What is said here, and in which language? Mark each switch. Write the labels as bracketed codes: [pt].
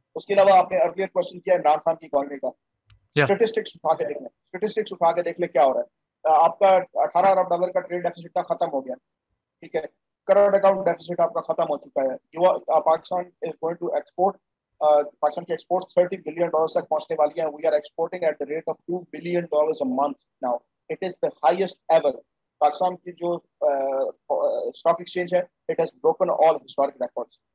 [ur] اس کے علاوہ آپ نے ارلیئر کوشچن کیا عمران خان کی اکانومی کا, اسٹیٹسٹکس اٹھا کے دیکھ لیں, اسٹیٹسٹکس اٹھا کے دیکھ لیں کیا ہو رہا ہے. آپ کا 18 ارب ڈالر کا ٹریڈ ڈیفیسٹ تھا, ختم ہو گیا. ٹھیک ہے, کرنٹ اکاؤنٹ ڈیفیسٹ آپ کا ختم ہو چکا ہے. [en] you are Pakistan is going to export, [ur] Pakistan کی ایکسپورٹس $30 بلین تک پہنچنے والی ہیں. [en] We are exporting at the rate of $2 billion a month now, it is the highest ever. [ur] Pakistan کی جو اسٹاک ایکسچینج ہے, [en] It has broken all historic records.